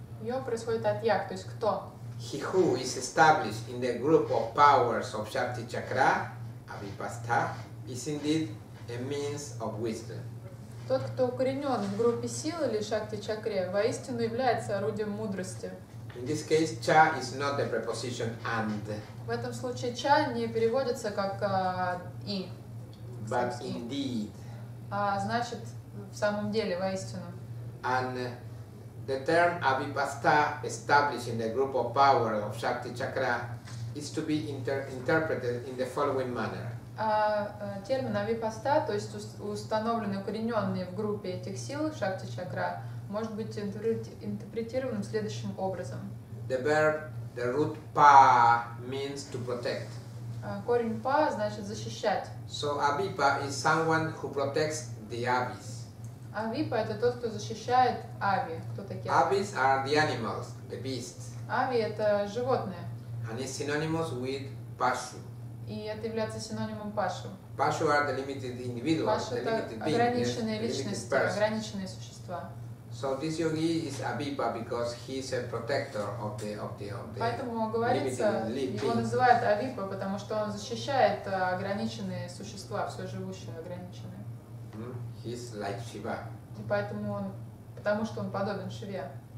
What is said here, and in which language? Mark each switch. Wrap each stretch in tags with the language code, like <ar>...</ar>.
<ru>Йо происходит от ях, то есть кто?</ru> <en>He who is established in the group of powers of Shakti Chakra, Avipastha, is indeed a means of wisdom.</en> <ru>Тот, кто укоренен в группе сил или шакти чакре, воистину является орудием мудрости.</ru> <en>In this case, cha is not the preposition and.</en> <ru>В этом случае cha не переводится как и.</ru> <en>But indeed.</en> <ru>А значит, в самом деле, воистину.</ru> <en>And the term Avipastha, established in the group of power of Shakti Chakra, is to be interpreted in the following manner.</en> <ru>Термин авипаста, то есть установленный, укорененный в группе этих сил шакти чакра, может быть интерпретирован следующим образом.</ru> <en>The verb, the root pa, means to protect.</en> <ru>Корень па значит защищать.</ru> <en>So avipa is someone who protects the avis.</en> <ru>Авипа это тот, кто защищает ави. Кто такие?</ru> <en>Avis are the animals, the beasts.</en> <ru>Ави это животные.</ru> <en>And it's synonymous with pashu.</en> <ru>И это является синонимом пашу.</ru> <en>Pashu are the limited individuals, pashu the limited beings,</en> <ru>ограниченные личности, ограниченные существа.</ru> <en>So this yogi is avipa because he is a protector of the limited.</en> <ru>Поэтому говорится, его называют авипа, потому что он защищает ограниченные существа, все живущее ограниченное.</ru> <en>He's like Shiva.</en> <ru>И поэтому он, потому что он подобен Шиве.</ru>